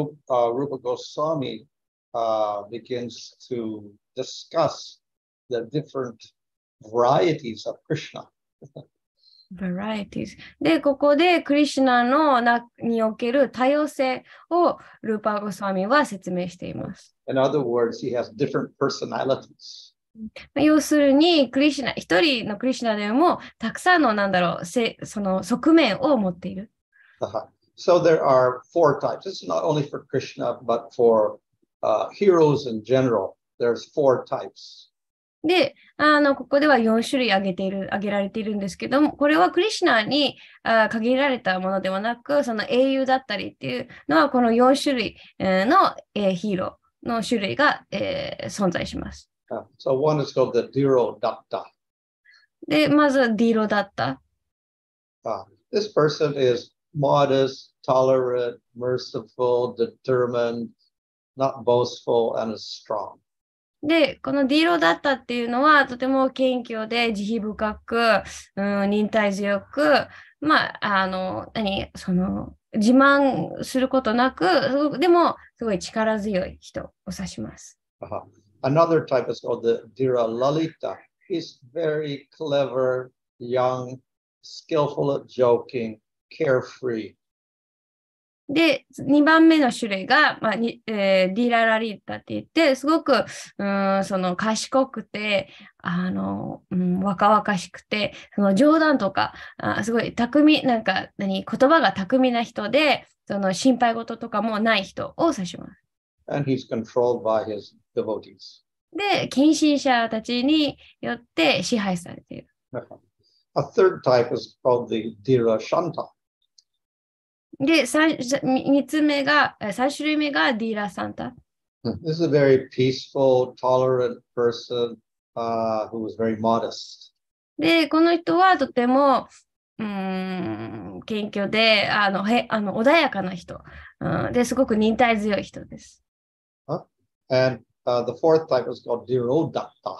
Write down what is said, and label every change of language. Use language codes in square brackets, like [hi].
[en] Rupa Goswami begins to discuss the different varieties of Krishna. Varieties. [ja] で、ここでクリシュナのなにおける多様性をルーパーゴスワミは説明しています。 [en] In other words, he has different personalities. [ja] 要するに、クリシュナ、一人のクリシュナでもたくさんのなんだろう、その側面を持っている。 [en] Uh-huh. So there are four types. It's not only for Krishna, but for heroes in general. There's four types. [ja] で、ここでは4種類挙げられているんですけども、これはクリシュナに限られたものではなく、その英雄だったりっていうのは、この4種類の、ヒーローの種類が、存在します。 [en] So one is called the Dhiro Datta. [ja] で、まず、Dhiro Datta。 [en] This person is modest, tolerant, merciful, determined, not boastful, and is strong. [ja] で、このディーロだったっていうのは、とても謙虚で、慈悲深く、忍耐強く、まあ、何、その、自慢することなく、でも、すごい力強い人を指します。 Uh-huh. [en] Another type is called the Dhira Lalita. He's very clever, young, skillful at joking, carefree. [ja] で、2番目の種類が、まあディララリータって言って、すごく、その賢くて、若々しくて、その冗談とか、すごい巧み、なんか、何、言葉が巧みな人で、その心配事とかもない人を指します。 [en] And he's controlled by his devotees. [ja] で、献身者たちによって支配されている。 [en] A third type is called the Dhira Shanta. [ja] で、三種類目がディーラ・サンタ。 [en] This is a very peaceful, tolerant person, who is very modest. [ja] で、この人はとても、謙虚で、穏やかな人。で、すごく忍耐強い人です。 Huh? [en] And, the fourth type is called Dhiro Datta.